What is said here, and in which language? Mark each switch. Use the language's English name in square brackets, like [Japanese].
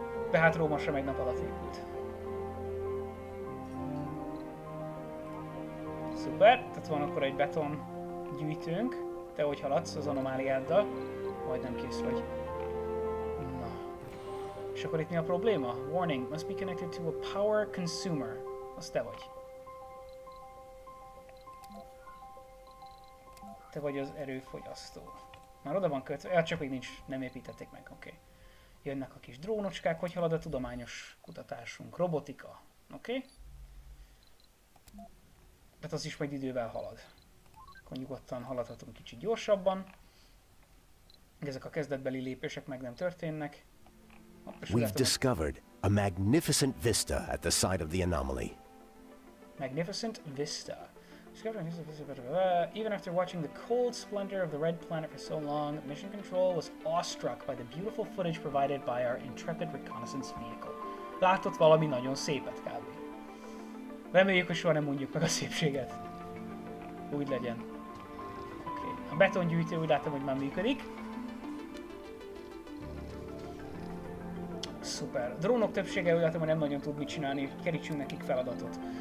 [Hungarian] De hát Róma sem egy nap alatt épült. Szuper, tehát van akkor egy beton gyűjtőnk, te hogy haladsz az anomáliáddal, majdnem kész vagy. Na. És akkor itt mi a probléma? [English] Warning, must be connected to a power consumer. [Hungarian] Az te vagy. Te vagy az erőfogyasztó. Már oda van kötve, ja, csak még nincs, nem építették meg, oké. Okay. Jönnek a kis drónocskák, hogy halad a tudományos kutatásunk? Robotika, oké. Okay. Tehát az is majd idővel halad. Akkor nyugodtan haladhatunk kicsit gyorsabban. Ezek a kezdetbeli lépések meg nem történnek. [English] We've discovered a magnificent vista at the side of the anomaly. Magnificent vista. Discovering this vista, even after watching the cold splendor of the red planet for so long, Mission Control was awestruck by the beautiful footage provided by our intrepid reconnaissance vehicle. [Hungarian] Látott valami nagyon szépet, kb. Reméljük, hogy soha nem mondjuk meg a szépséget. Úgy legyen. Oké. A betongyűjtő úgy látom, hogy már működik. Szuper. A drónok többsége úgy látom, hogy nem nagyon tud mit csinálni. Kerítsünk nekik feladatot.